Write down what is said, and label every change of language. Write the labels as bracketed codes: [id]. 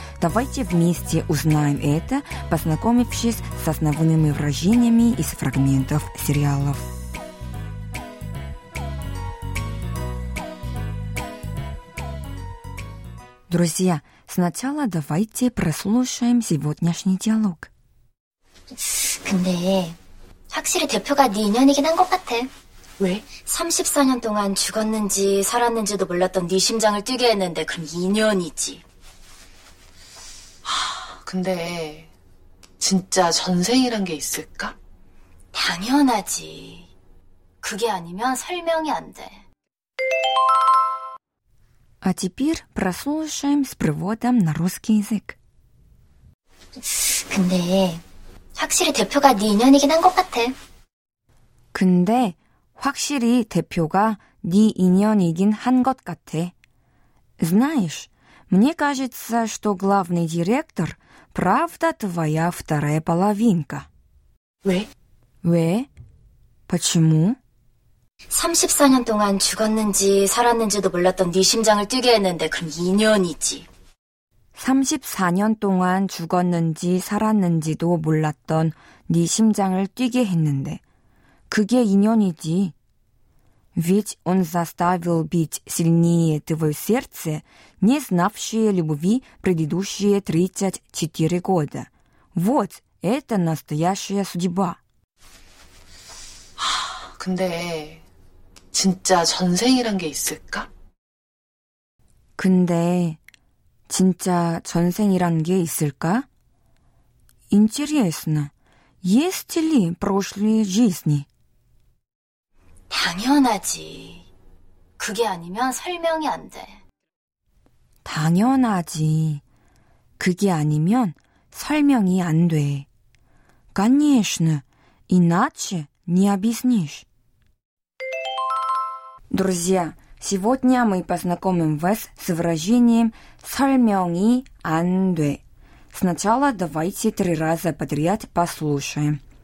[ru] Давайте вместе узнаем это, познакомившись с основными выражениями из фрагментов сериалов. Друзья, сначала давайте прослушаем сегодняшний диалог. [ko] 근데 확실히 대표가 네 인연이긴 한 것 같아. 왜? 34년 동안 죽었는지 살았는지도 몰랐던 네 심장을 뛰게 했는데 그럼 인연이지. 하, 근데 진짜 전생이란 게 있을까? 당연하지. 그게 아니면 설명이 안 돼. [ru] А теперь прослушаем с приводом на русский язык. [ko] 근데 확실히 대표가 네 인연이긴 한 것 같아. 근데 확실히 대표가 네 인연이긴 한 것 같아. [ru] Знаешь, мне кажется, что главный директор – правда твоя вторая половинка. [ko] 왜? 왜? [ru] Почему? [ko] 34년 동안 죽었는지 살았는지도 몰랐던 네 심장을 뛰게 했는데 그럼 인연이지. 34년 동안 죽었는지 살았는지도 몰랐던 네 심장을 뛰게 했는데 그게 인연이지. [ru] Ведь он заставил бить сильнее твое сердце, не знавшее любви предыдущие 34 года. Вот это настоящая судьба. [ko] 하, 근데 진짜 전생이란 게 있을까? 근데 진짜 전생이란 게 있을까? [ru] Интересно, есть ли прошлые жизни? [ko] 당연하지. 그게 아니면 설명이 안 돼. 당연하지. 그게 아니면 설명이 안 돼. [ru] Конечно, иначе не объяснишь. Друзья, сегодня мы познакомим вас с выражением [ko] «설명이 안 돼». [ru] Сначала давайте три раза подряд послушаем.